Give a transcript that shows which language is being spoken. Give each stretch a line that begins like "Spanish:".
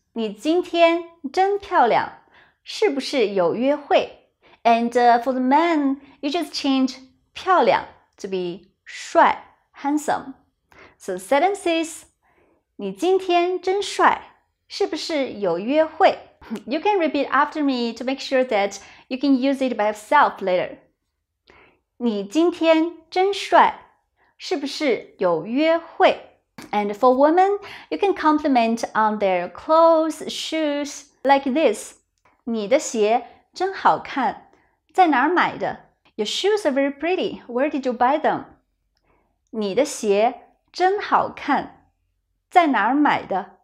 Chinese: 你今天真漂亮，是不是有约会？
English: And for the man, you just change 漂亮 to be 帅 handsome. So the sentence is,
Chinese: 你今天真帅，是不是有约会？
English: You can repeat after me to make sure that you can use it by yourself later.
Chinese: 你今天真帅，是不是有约会？
English: And for women, you can compliment on their clothes, shoes, like this.
Chinese: 你的鞋真好看，在哪儿买的？
English: Your shoes are very pretty. Where did you buy them?
Chinese: 你的鞋真好看，在哪儿买的？